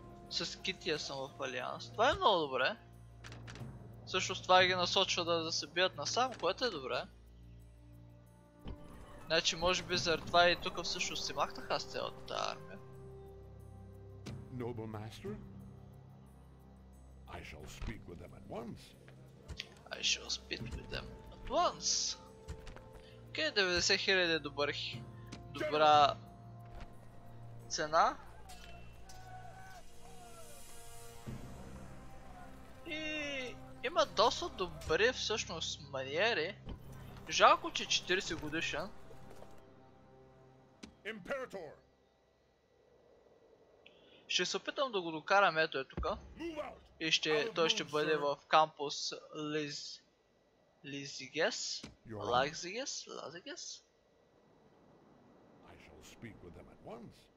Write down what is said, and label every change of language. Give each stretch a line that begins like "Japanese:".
Bulgarian: С Кития съм в алианс. Това е много добре. Също това ги насочва да се бият насам, което е добре. Значи може би заради това и тук всъщност си махнах аз цялата армия.
English: Noble master, I shall speak with them at once. I shall speak with them at once.
Bulgarian: Okay, 90 000 добра цена. И има доста добри всъщност маниери. Жалко, че 40 годишен.
Latin: Imperator.
Bulgarian: Ще се опитам да го докарам, ето е тука. И ще, той ще бъде в кампус Лизигес. Лазигес? Лазигес?
English: I shall speak with them at once.